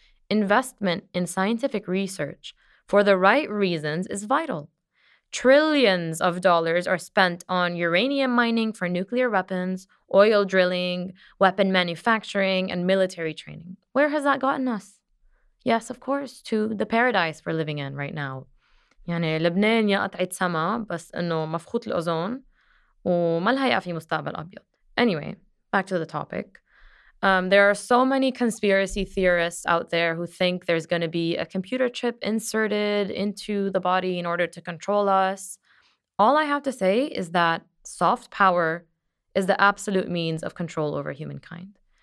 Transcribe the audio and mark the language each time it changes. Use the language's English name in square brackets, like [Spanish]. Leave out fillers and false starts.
[English] Investment in scientific research for the right reasons is vital. Trillions of dollars are spent on uranium mining for nuclear weapons, oil drilling, weapon manufacturing, and military training. Where has that gotten us? Yes, of course, to the paradise we're living in right now. [Arabic] يعني لبنان يا قطعة سما بس إنه مفخوت الأوزون وما الهيئة في مستقبل أبيض. [English] Anyway, back to the topic. There are so many conspiracy theorists out there who think there's going to be a computer chip inserted into the body in order to control us. All I have to say is that soft power is the absolute means of control over humankind.